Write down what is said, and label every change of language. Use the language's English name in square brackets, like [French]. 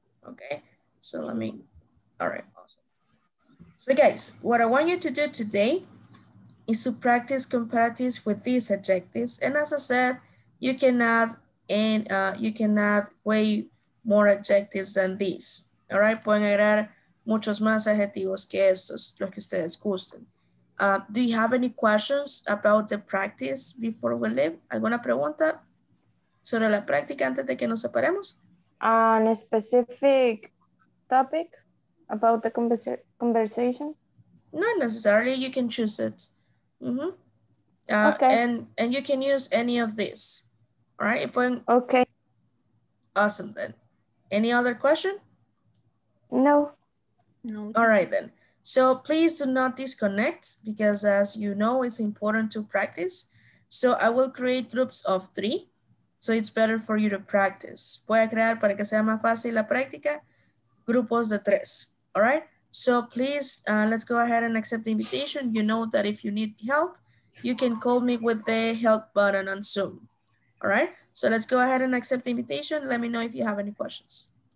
[English] Okay, so let me, all right, awesome. So guys, what I want you to do today is to practice comparatives with these adjectives, and as I said, you can add way more adjectives than these, all right? [Spanish] Pueden agregar muchos más adjetivos que estos, los que ustedes gusten. [English] Do you have any questions about the practice before we leave? [Spanish] ¿Alguna pregunta sobre la práctica antes de que nos separemos? [English] On a specific topic about the conversation? Not necessarily, you can choose it. Mm-hmm. Okay. And you can use any of these. All right, [Spanish] pueden... [English] Okay. Awesome then. Any other question? No. No. All right then. So please do not disconnect, because as you know, it's important to practice. So I will create groups of three. So it's better for you to practice. [Spanish] Voy a crear, para que sea más fácil la práctica, grupos de tres. [English] All right. So please, let's go ahead and accept the invitation. You know that if you need help, you can call me with the help button on Zoom. All right. So let's go ahead and accept the invitation. Let me know if you have any questions.